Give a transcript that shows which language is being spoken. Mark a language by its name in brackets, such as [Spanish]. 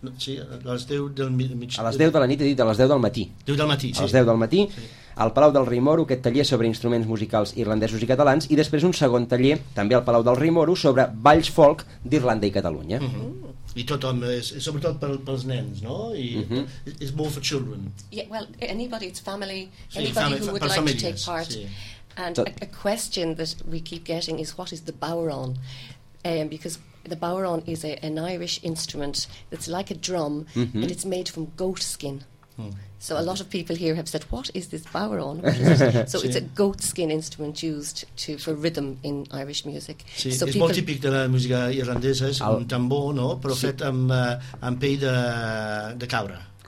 [Catalan] les 10 de la nit, he dit, a les 10 del matí. 10 del matí, sí. A les 10 del matí, sí. Al Palau del Rei Moro, aquest taller sobre instruments musicals irlandesos i catalans, i després un segon taller, també al Palau del Rei Moro, sobre balls folk d'Irlanda i Catalunya. I tothom, sobretot pels nens, no? [English] It's more for children. Yeah, well, anybody, it's family, who would like to take part. [Catalan] Sí. [English] And a question that we keep getting is, what is the bowron? Because the bowron is an Irish instrument that's like a drum, and it's made from goat skin. So a lot of people here have said, what is this bowron? So it's a goat skin instrument used for rhythm in Irish music. [Catalan] Sí, és molt típic de la música irlandesa, és un tambor, no? Però fet amb pell de cabra.